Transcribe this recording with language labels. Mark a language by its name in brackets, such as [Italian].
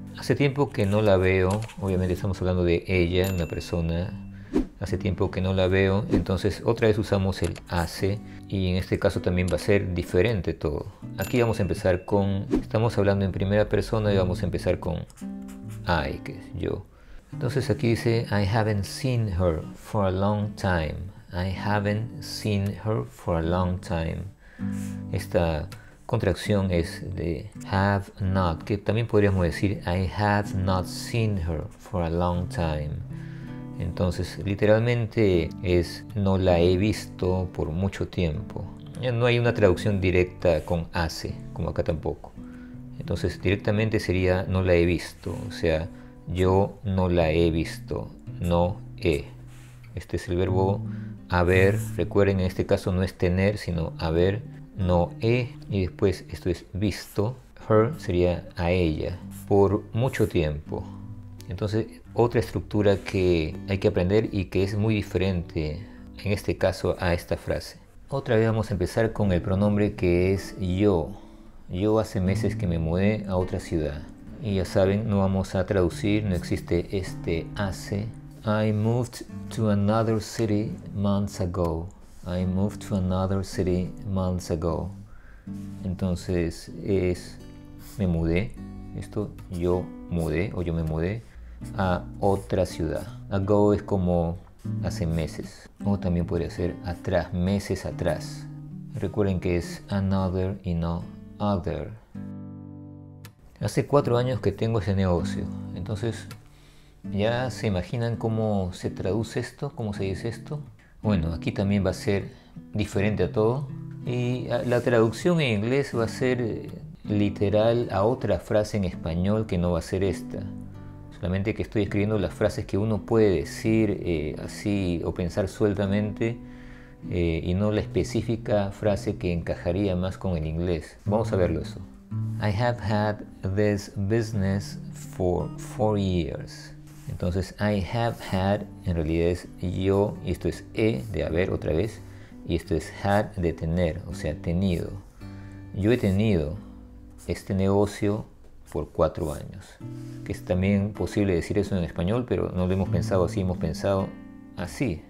[Spanish] Hace tiempo que no la veo, obviamente estamos hablando de ella, una persona. Hace tiempo que no la veo, entonces otra vez usamos el hace y en este caso también va a ser diferente todo. Aquí vamos a empezar estamos hablando en primera persona y vamos a empezar con I, que es yo. [English] Entonces aquí dice, I haven't seen her for a long time. I haven't seen her for a long time. [Spanish] Esta contracción es de have not, que también podríamos decir [English] I have not seen her for a long time. [Spanish] Entonces, literalmente es no la he visto por mucho tiempo. No hay una traducción directa con hace, como acá tampoco. Entonces, directamente sería no la he visto, o sea, yo no la he visto, no he. Este es el verbo haber, recuerden, en este caso no es tener, sino haber. No he, y después esto es visto, her sería a ella, por mucho tiempo. Entonces, otra estructura que hay que aprender y que es muy diferente en este caso a esta frase. Otra vez vamos a empezar con el pronombre que es yo. Yo hace meses que me mudé a otra ciudad. Y ya saben, no vamos a traducir, no existe este hace. [English] I moved to another city months ago. I moved to another city months ago. [Spanish] Entonces es me mudé. Esto yo mudé o yo me mudé a otra ciudad. Ago es como hace meses. O también podría ser atrás, meses atrás. Recuerden que es another y no other. Hace 4 años que tengo ese negocio. Entonces, ¿ya se imaginan cómo se traduce esto? ¿Cómo se dice esto? Bueno, aquí también va a ser diferente a todo. Y la traducción en inglés va a ser literal a otra frase en español que no va a ser esta. Solamente que estoy escribiendo las frases que uno puede decir así o pensar sueltamente y no la específica frase que encajaría más con el inglés. Vamos a verlo eso. [English] I have had this business for 4 years. [Spanish] Entonces, [English] I have had, [Spanish] en realidad es yo, y esto es he, de haber otra vez, y esto es had, de tener, o sea, tenido. Yo he tenido este negocio por 4 años. Que es también posible decir eso en español, pero no lo hemos pensado así, hemos pensado así.